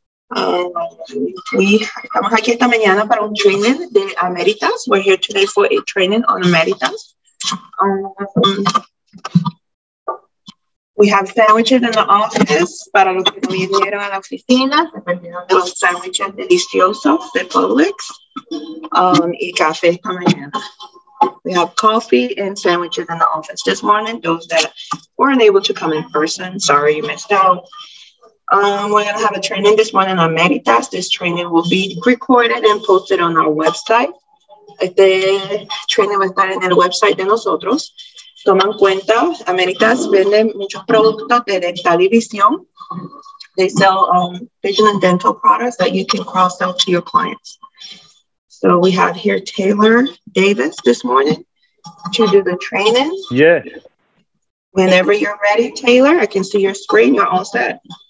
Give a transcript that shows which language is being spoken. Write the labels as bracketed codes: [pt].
[es] Estamos aquí esta mañana para un training de Ameritas. [en] We're here today for a training on Ameritas. We have sandwiches in the office. [es] Para los que no vinieron a la oficina, se perdieron de los sandwiches deliciosos de Publix. Y café esta mañana. [en] We have coffee and sandwiches in the office this morning. Those that weren't able to come in person, sorry you missed out. We're going to have a training this morning on Meritas. This training will be recorded and posted on our website. [es] Este training va a estar en el website de nosotros. Toman cuenta, Ameritas vende muchos productos de dental y visión. [en] They sell vision and dental products that you can cross out to your clients. So we have here Taylor Davis this morning to do the training. Yes. Whenever you're ready, Taylor, I can see your screen. You're all set.